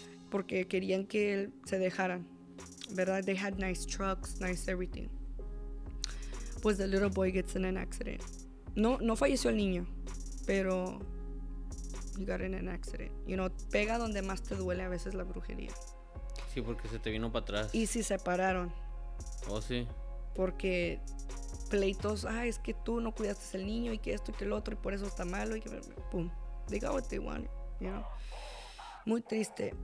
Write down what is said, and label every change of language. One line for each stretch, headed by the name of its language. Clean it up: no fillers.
Spanish: Porque querían que él se dejaran, ¿verdad?
English: They had nice trucks, nice everything. Pues the little boy gets in an accident.
Spanish: No falleció el niño, pero
English: you got in an accident. You know,
Spanish: pega donde más te duele a veces la brujería. Sí, porque se te vino para atrás. Y se separaron. Oh, sí. Porque pleitos, es que tú no cuidaste al niño y que esto y que el otro y por eso está malo y que pum,
English: they got what they want, you know.
Spanish: Muy triste.